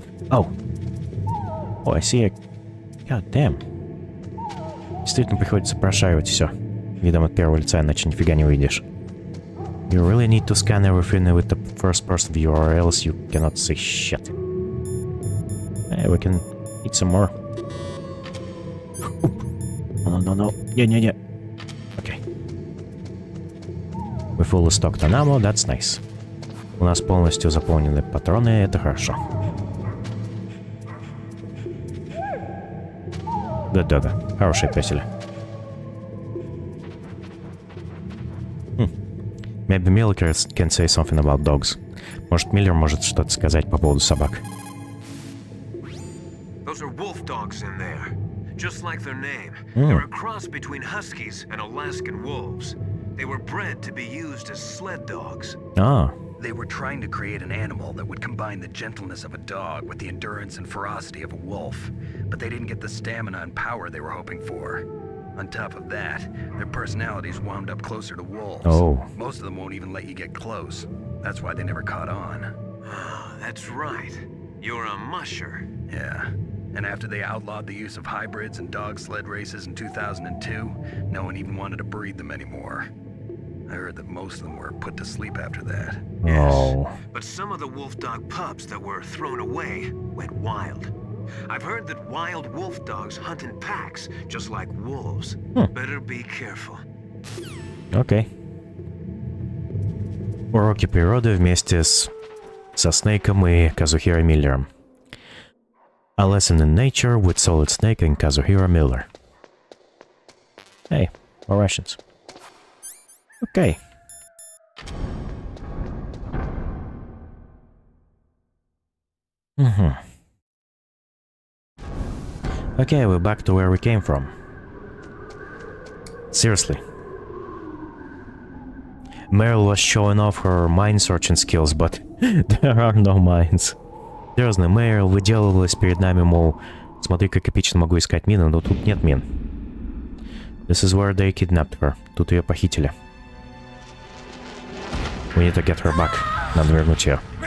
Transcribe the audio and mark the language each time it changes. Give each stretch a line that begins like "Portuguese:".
English: Oh. Oh, I see a... God damn.
Russian: Действительно, приходится прошаривать все. Видом от первого лица, иначе нифига не увидишь.
English: You really need to scan everything with the first person view, or else you cannot see shit. Hey, we can eat some more. Oh, no. Yeah. Okay. We fully stocked on ammo, that's nice.
Russian: У нас полностью заполнены патроны, это хорошо. Да-да-да, хорошая песня.
English: Maybe Miller can say something about dogs.
Russian: Может, Миллер может что-то сказать по поводу собак.
English: Those are wolf dogs in there, just like their name. Mm. They're a cross between huskies and Alaskan wolves. They were bred to be used as sled dogs. Ah. They were trying to create an animal that would combine the gentleness of a dog with the endurance and ferocity of a wolf. But they didn't get the stamina and power they were hoping for. On top of that, their personalities wound up closer to wolves. Oh. Most of them won't even let you get close. That's why they never caught on. That's right. You're a musher. Yeah. And after they outlawed the use of hybrids and dog sled races in 2002, no one even wanted to breed them anymore. I heard that most of them were put to sleep after that. Oh. Yes. But some of the wolf dog pups that were thrown away went wild. I've heard that wild wolf dogs hunt in packs, just like wolves. Huh. Better be careful. Okay.
Russian: Уроки природы вместе с... со Снейком и Казухирой Миллером.
English: A lesson in nature with Solid Snake and Kazuhira Miller. Hey, more Russians. Okay. Mm-hmm. Okay, we're back to where we came from. Seriously. Meryl was showing off her mine-searching skills, but there are no mines.
Russian: Серьезно, Meryl выделывалась перед нами, мол, смотри, как эпично могу искать мины, но тут нет мин.
English: This is where they kidnapped her.
Russian: Тут ее похитили.
English: We need to get her back.
Russian: Надо вернуть ее.